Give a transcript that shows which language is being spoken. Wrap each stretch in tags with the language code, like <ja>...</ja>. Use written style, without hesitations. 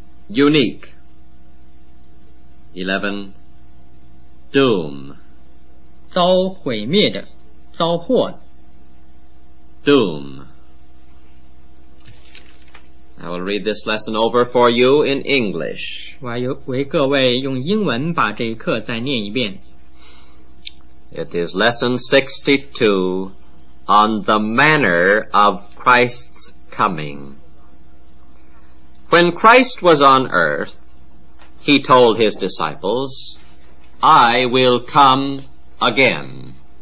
<en>Unique. 11. Doom.</en> <zh>遭毁灭的，遭祸的。</zh> <en>Doom. I will read this lesson over for you in English.</en> <zh>我要为各位用英文把这一课再念一遍。</zh> <en>It is lesson 62 on the manner of Christ's coming. When Christ was on earth, he told his disciples, I will come again.</en>